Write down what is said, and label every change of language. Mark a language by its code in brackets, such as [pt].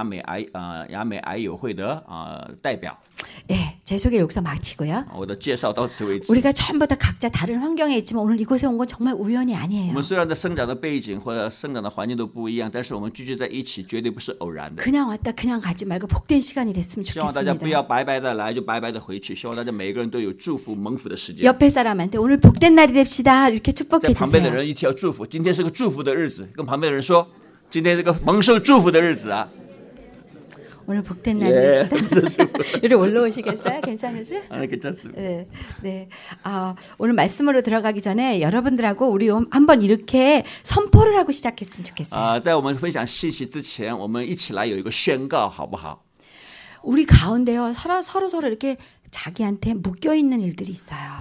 [zh] 然后呢，我们在美国有七个城市有亚美癌友会的代表。 [ko] 예, 제 소개 여기서 마치고요. [zh] 我的介绍到此为止。 [ko] 우리가 전부 다 각자 다른 환경에 있지만 오늘 이곳에 온 건 정말 우연이 아니에요. [zh] 我们虽然的生长的背景或者生长的环境都不一样，但是我们聚集在一起绝对不是偶然的。 [ko] 그냥 왔다 그냥 가지 말고 복된 시간이 됐으면 좋겠습니다. [zh] 希望大家不要白白的来就白白的回去，希望大家每个人都有祝福蒙福的时间。 [ko] 옆에 사람한테 오늘 복된 날이 됩시다 이렇게 축복해 주세요. [zh] 旁边的人一提到祝福，今天是个祝福的日子，跟旁边的人说，今天是个蒙受祝福的日子啊。 [ko] 오늘 복된 날입니다. 이리 올라오시겠어요? 괜찮으세요? 아, 괜찮습니다. 네, 네. 오늘 말씀으로 들어가기 전에 여러분들하고 우리 한번 이렇게 선포를 하고 시작했으면 좋겠어요. [zh] 在我们分享信息之前，我们一起来有一个宣告，好不好？ [ko] 우리 가운데요, 서로 이렇게 자기한테 묶여 있는 일들이 있어요.